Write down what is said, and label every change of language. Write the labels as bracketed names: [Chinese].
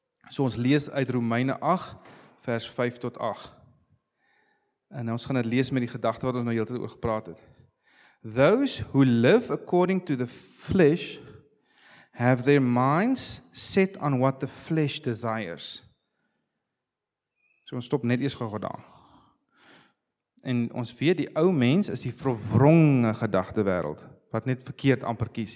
[Afrikaans] So ons lees uit Romeine 8 vers 5 tot 8. En ons gaan dit lees met die gedagte wat ons nou heeltyd oor gepraat het. [English] Those who live according to the flesh have their minds set on what the flesh desires. [Afrikaans] So ons stop net eers gou daar. En ons weet die ou mens is die verwronge gedagte wêreld wat net verkeerd amper kies.